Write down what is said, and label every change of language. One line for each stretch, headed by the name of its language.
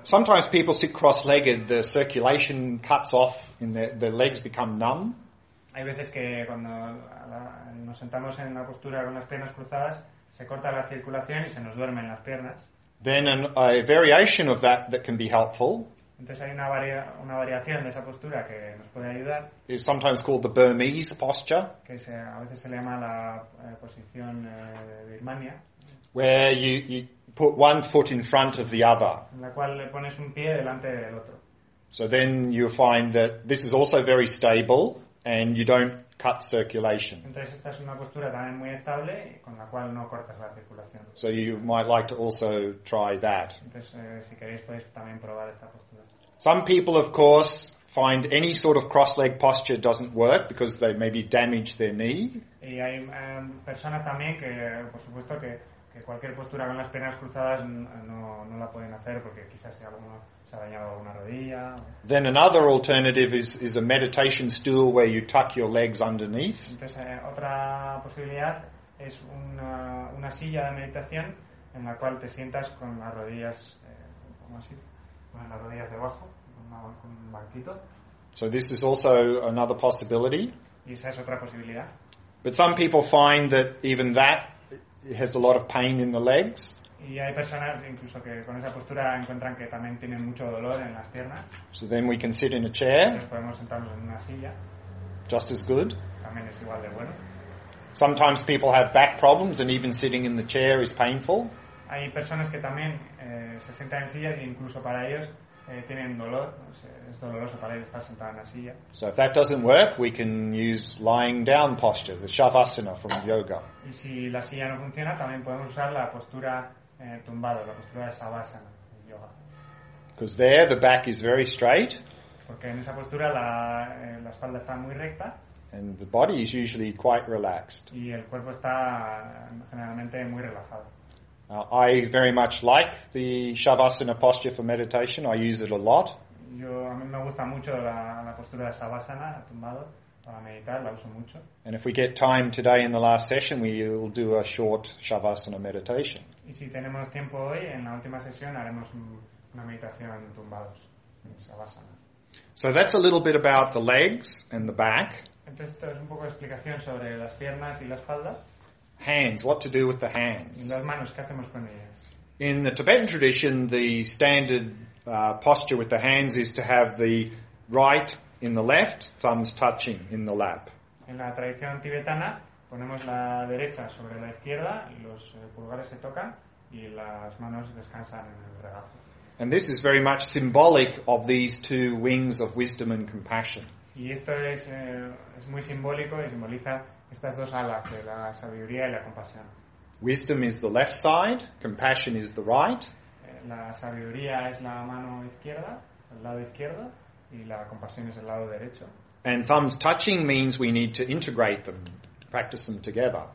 English: Sometimes people sit cross-legged, the circulation cuts off, and the legs become numb.
Spanish: Hay veces que cuando nos sentamos en la postura con las piernas cruzadas, se corta la circulación y se nos duermen las piernas.
English: Then a variation of that can be helpful.
Spanish: Entonces hay una variación de esa postura que nos puede ayudar.
English: It's sometimes called the Burmese posture.
Spanish: Que a veces se le llama la posición de Birmania.
English: Where you put one foot in front of the other.
Spanish: En la cual le pones un pie delante del otro.
English: So then you find that this is also very stable and you don't cut circulation.
Spanish: Entonces esta es una postura también muy estable con la cual no cortas la circulación.
English: So you might like to also try that.
Spanish: Entonces si queréis podéis también probar esta postura.
English: Some people of course find any sort of cross leg posture doesn't work because they maybe damage their knee.
Spanish: Y hay personas también que por supuesto que que cualquier postura con las piernas cruzadas no la pueden hacer porque quizás sea alguno se ha dañado alguna rodilla.
English: Then another alternative is a meditation stool where you tuck your legs underneath.
Spanish: Entonces otra posibilidad es una silla de meditación en la cual te sientas con las rodillas ¿cómo así? Bueno, las rodillas debajo, con un banquito.
English: So this is also another possibility.
Spanish: Y esa es otra posibilidad.
English: But some people find that even that has a lot of pain in the legs.
Spanish: Y hay personas incluso que con esa postura encuentran que también tienen mucho dolor en las piernas.
English: So then we can sit in a chair.
Spanish: Entonces podemos sentarnos en una silla.
English: Just as good.
Spanish: También es igual de bueno.
English: Sometimes people have back problems and even sitting in the chair is painful.
Spanish: Hay personas que también se sientan en sillas y incluso para ellos tienen dolor, es doloroso para ellos estar sentado en la silla.
English: So if that doesn't work, we can use lying down posture, the shavasana from yoga.
Spanish: Y si la silla no funciona, también podemos usar la postura tumbado, la postura de shavasana de yoga.
English: Because there the back is very straight.
Spanish: Porque en esa postura la espalda está muy recta.
English: And the body is usually quite relaxed.
Spanish: Y el cuerpo está generalmente muy relajado.
English: I very much like the shavasana posture for meditation. I use it a lot.
Spanish: A mí me gusta mucho la postura de shavasana, tumbado, para meditar, la uso mucho.
English: And if we get time today in the last session, we will do a short shavasana meditation.
Spanish: Y si tenemos tiempo hoy, en la última sesión, haremos una meditación tumbados, en shavasana.
English: So that's a little bit about the legs and the back.
Spanish: Entonces, esto es un poco de explicación sobre las piernas y la espalda.
English: Hands, what to do with the hands.
Spanish: Las manos, ¿qué hacemos con ellas?
English: In the Tibetan tradition, the standard posture with the hands is to have the right in the left, thumbs touching in the lap.
Spanish: En la tradición tibetana, ponemos la derecha sobre la izquierda, los pulgares se tocan y las manos descansan en el regazo.
English: And this is very much symbolic of these two wings of wisdom and compassion.
Spanish: Y esto es muy simbólico y simboliza estas dos alas de la sabiduría y la compasión.
English: Wisdom is the left side, compassion is the right.
Spanish: La sabiduría es la mano izquierda, el lado izquierdo, y la compasión es el lado derecho.
English: And thumbs touching means we need to integrate them, practice them together.